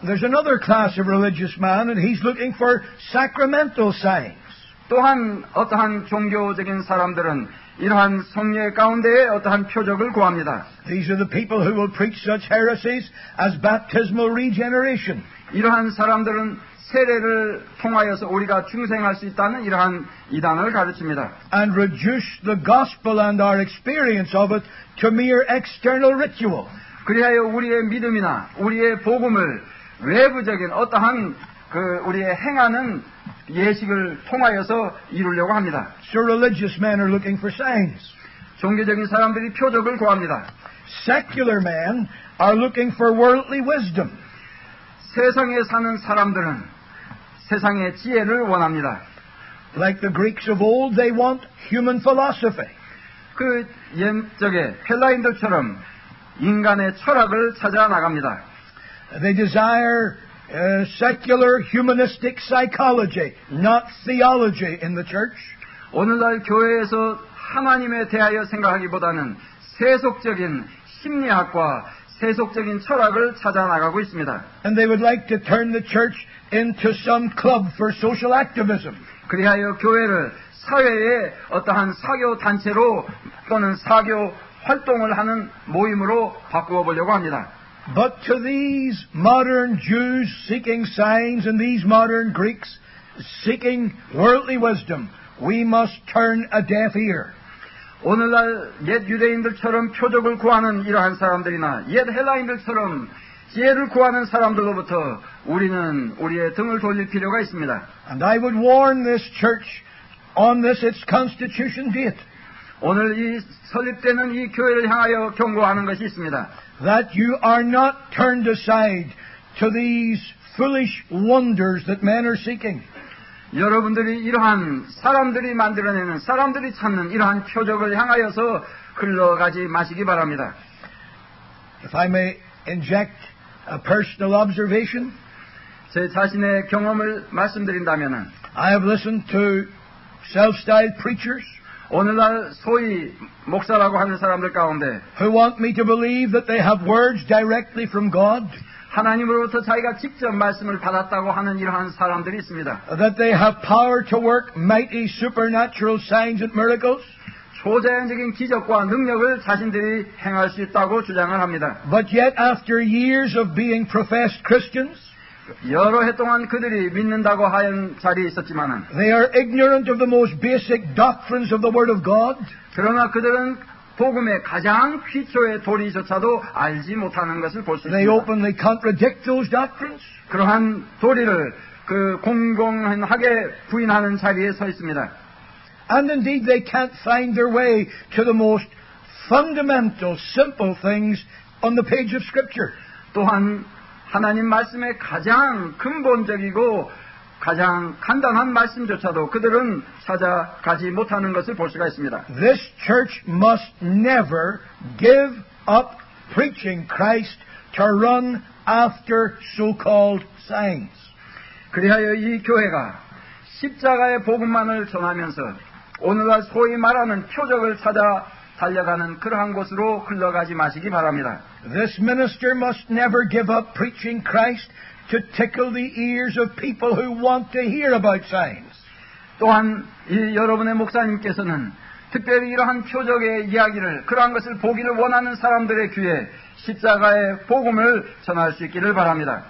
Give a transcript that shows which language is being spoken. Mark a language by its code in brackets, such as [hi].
[en] There's another class of religious man and he's looking for sacramental signs. [ko] 또한 어떠한 종교적인 사람들은 이러한 성례 가운데에 어떠한 표적을 구합니다. [en] These are the people who will preach such heresies as baptismal regeneration. [ko] 이러한 사람들은 세례를 통하여서 우리가 중생할 수 있다는 이러한 이단을 가르칩니다. [en] And reduce the gospel and our experience of it to mere external ritual. [ko] 그리하여 우리의 믿음이나 우리의 복음을 외부적인 어떠한 그 우리의 행하는 예식을 통하여서 이루려고 합니다. [en] So religious men are looking for signs. [ko] 종교적인 사람들이 표적을 구합니다. [en] Secular men are looking for worldly wisdom. [ko] 세상에 사는 사람들은 세상의 지혜를 원합니다. [en] Like the Greeks of old, they want human philosophy. [ko] 그 옛적의 헬라인들처럼 인간의 철학을 찾아 나갑니다. [en] They desire secular humanistic psychology, not theology in the church. [ko] 오늘날 교회에서 하나님에 대하여 생각하기보다는 세속적인 심리학과 세속적인 철학을 찾아 나가고 있습니다. [en] And they would like to turn the church into some club for social activism. [ko] 그리하여 교회를 사회의 어떠한 사교 단체로 또는 사교 활동을 하는 모임으로 바꾸어 보려고 합니다. [en] But to these modern Jews seeking signs and these modern Greeks seeking worldly wisdom, we must turn a deaf ear. [ko] 오늘날 옛 유대인들처럼 표적을 구하는 이러한 사람들이나 옛 헬라인들처럼 지혜를 구하는 사람들로부터 우리는 우리의 등을 돌릴 필요가 있습니다. [en] And I would warn this church on this its constitution date. [ko] 오늘 이 설립되는 이 교회를 향하여 경고하는 것이 있습니다. [en] That you are not turned aside to these foolish wonders that men are seeking. [ko] 여러분들이 이러한 사람들이 만들어내는 사람들이 찾는 이러한 표적을 향하여서 흘러가지 마시기 바랍니다. [en] If I may inject a personal observation, [ko] 제 자신의 경험을 말씀드린다면은, [en] I have listened to self-styled preachers. [ko] 오늘날 소위 목사라고 하는 사람들 가운데, [en] who want me to believe that they have words directly from God. [ko] 하나님으로부터 자기가 직접 말씀을 받았다고 하는 이러한 사람들이 있습니다. [en] That they have power to work mighty supernatural signs and miracles. [ko] 초자연적인 기적과 능력을 자신들이 행할 수 있다고 주장을 합니다. [en] But yet after years of being professed Christians, [ko] 여러 해 동안 그들이 믿는다고 하는 자리에 있었지만은, [en] they are ignorant of the most basic doctrines of the Word of God. [ko] 그러나 그들은 복음의 가장 기초의 도리조차도 알지 못하는 것을 볼 수 있습니다. [en] They openly contradict those doctrines. [ko] 그러한 도리를 그 공공하게 부인하는 자리에 서 있습니다. [en] And indeed, they can't find their way to the most fundamental, simple things on the page of Scripture. [ko] 또한 하나님 말씀의 가장 근본적이고 가장 간단한 말씀조차도 그들은 찾아가지 못하는 것을 볼 수가 있습니다. [en] This church must never give up preaching Christ to run after so-called signs. [ko] 그리하여 이 교회가 십자가의 복음만을 전하면서 오늘날 소위 말하는 표적을 찾아 달려가는 그러한 곳으로 흘러가지 마시기 바랍니다. [en] This minister must never give up preaching Christ to tickle the ears of people who want to hear about signs. [ko] 또한 이 여러분의 목사님께서는 특별히 이러한 표적의 이야기를 그러한 것을 보기를 원하는 사람들의 귀에 십자가의 복음을 전할 수 있기를 바랍니다.